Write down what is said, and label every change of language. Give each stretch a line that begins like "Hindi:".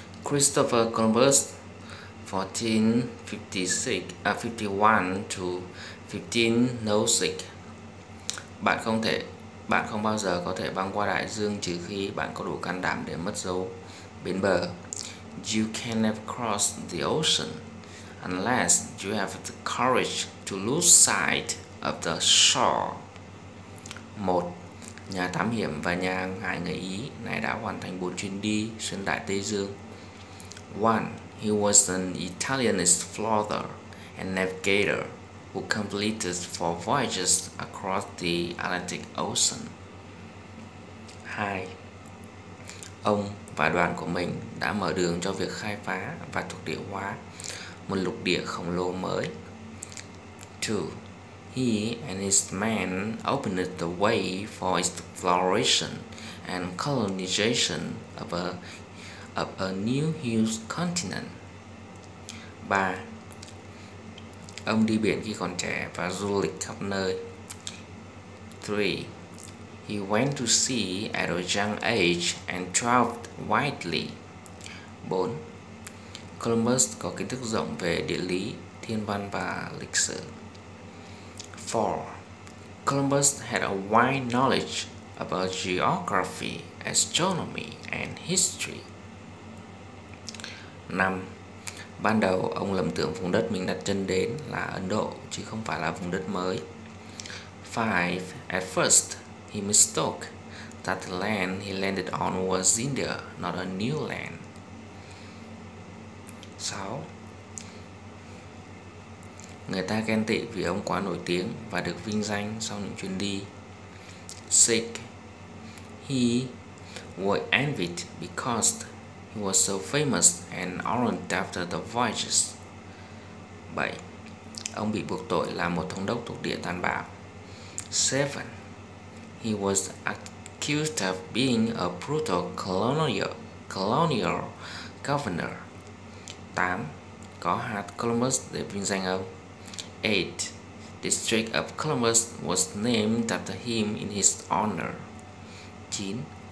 English: Christopher Columbus 1551 to 1506.
Vietnamese: Bạn không bao giờ có thể băng qua đại dương trừ khi bạn có đủ can đảm để mất dấu bến bờ.
English: You can never cross the ocean unless you have the courage to lose sight of the shore.
Vietnamese: Một, nhà thám hiểm và nhà ngoại người Ý này đã hoàn thành 4 chuyến đi xuyên đại Tây Dương.
English: One, he was an Italian explorer and navigator who completed 4 voyages across the Atlantic Ocean. 2.
Vietnamese: Ông và đoàn của mình đã mở đường cho việc khai phá và thuộc địa hóa một lục địa khổng lồ mới. 2.
English: He and his men opened the way for exploration and colonization of a new huge continent. 3.
Vietnamese: Ông đi biển khi còn trẻ và du lịch khắp nơi. 3.
English: He went to sea at a young age and traveled widely. 4.
Vietnamese: Columbus có kiến thức rộng về địa lý, thiên văn và lịch sử. 4.
English: Columbus had a wide knowledge about geography, astronomy and history. 5.
Vietnamese: Ban đầu, ông lầm tưởng vùng đất mình đặt chân đến là Ấn Độ, chứ không phải là vùng đất mới. 5.
English: At first, he mistook that the land he landed on was India, not a new land. 6.
Vietnamese: Người ta ghen tị vì ông quá nổi tiếng và được vinh danh sau những chuyến đi. 6.
English: He was envied because he was so famous and honored after the voyages. 7.
Vietnamese: Ông bị buộc tội là một thống đốc thuộc địa tàn bạo. 7.
English: He was accused of being a brutal colonial governor. 8.
Vietnamese: Có hạt Columbus để vinh danh ông.
English: 8. District of Columbus was named after him in his honor. 9.